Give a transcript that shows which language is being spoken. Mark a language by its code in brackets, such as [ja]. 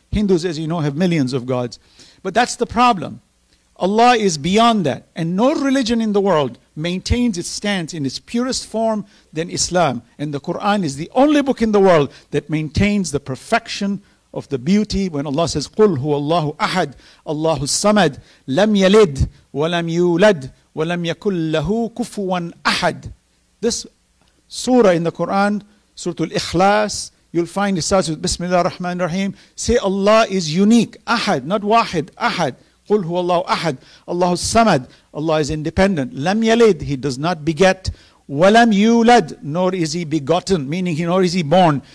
[en] Hindus, as you know, have millions of gods. But that's the problem. Allah is beyond that. And no religion in the world maintains its stance in its purest form than Islam. And the Quran is the only book in the world that maintains the perfection of the beauty. When Allah says, [ar] قُلْ هُوَ اللَّهُ أَحَدْ اللَّهُ السَّمَدْ لَمْ يَلِدْ وَلَمْ يُولَدْ وَلَمْ يَكُلْ لَهُ كُفُوًا أَحَدْ. [en] This surah in the Quran, Surah Al-Ikhlas, you'll find it starts with Bismillah ar-Rahman ar-Rahim. Say Allah is unique, أحد, not واحد, أحد. [ar] قُلْ هُوَ اللَّهُ أَحَدْ اللَّهُ السَّمَدْ. [en] Allah is independent. [ar] لَمْ يَلِدْ, [en] He does not beget. [ar] وَلَمْ يُولَدْ, [en] nor is He begotten, meaning nor is He born.